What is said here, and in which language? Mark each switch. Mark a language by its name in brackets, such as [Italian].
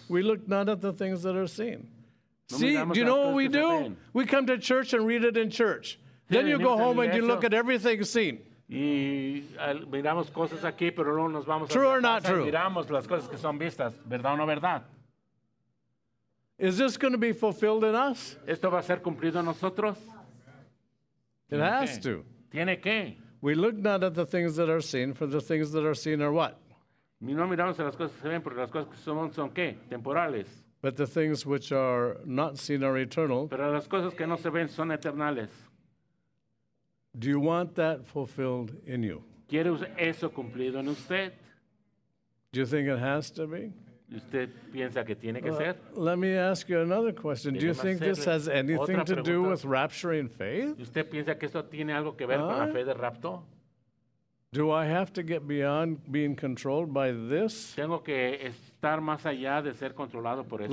[English] We look not at the things that are seen. No see, do you know what we do? We come to church and read it in church. [Spanish] Sí, [English] then you go home and you look at everything seen. [Spanish] Y miramos cosas aquí, pero luego nos vamos [English] true a or not true? [Spanish] Miramos las cosas que son vistas, ¿verdad o no verdad? [English] Is this going to be fulfilled in us? [Spanish] ¿Esto va a ser cumplido en nosotros? [English] It has to. [Spanish] Tiene que. [English] We look not at the things that are seen, for the things that are seen are what? [Spanish] No miramos a las cosas que se ven, porque las cosas que son, ¿son qué? Temporales. [English] But the things which are not seen are eternal. [Spanish] Pero las cosas que no se ven son eternales. [English] Do you want that fulfilled in you? [Spanish] ¿Quiere eso cumplido en usted? [English] Do you think it has to be? [Spanish] ¿Usted piensa que tiene que [English] well, [Spanish] ser? [English] Let me ask you another question. Do you think this has anything to [Spanish] pregunta? [English] Do with rapturing faith? [Spanish] ¿Usted piensa que esto tiene algo que ver con la fe de rapto? [English] Do I have to get beyond being controlled by this? [Spanish] Tengo que estar más allá de ser controlado por esto.